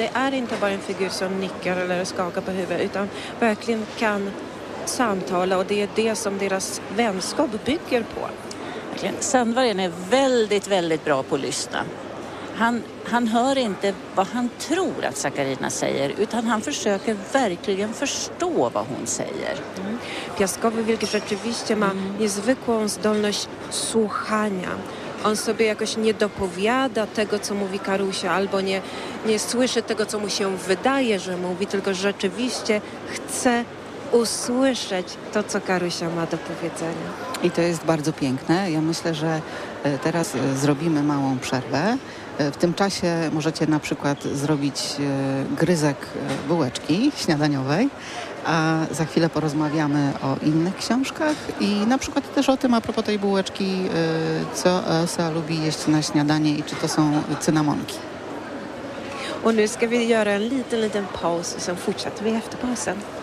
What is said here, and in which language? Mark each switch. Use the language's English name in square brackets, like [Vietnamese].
[Swedish] Det är inte bara en figur som nickar eller skakar på huvudet utan verkligen kan samtala, och det är det som deras vänskap bygger på. Verkligen. Sandvargen är väldigt, väldigt bra på att lyssna. Han hör inte vad han tror att Sakarina säger, utan han försöker verkligen förstå vad hon säger. Mm. [Polish] Piaskowy wilk rzeczywiście ma niezwykłą zdolność słuchania. On sobie jakoś nie dopowiada tego, co mówi Karusia, albo nie słyszy tego, co mu się wydaje, że mówi, tylko rzeczywiście chce usłyszeć to, co Karusia ma do powiedzenia. I to jest bardzo piękne. Ja myślę, że teraz zrobimy małą przerwę. W tym czasie możecie na przykład zrobić gryzek bułeczki śniadaniowej, a za chwilę porozmawiamy o innych książkach i na przykład też o tym, a propos tej bułeczki, co Elsa lubi jeść na śniadanie i czy to są cynamonki. [Swedish] Och nu ska vi göra en liten paus och sen fortsätter vi efter pausen.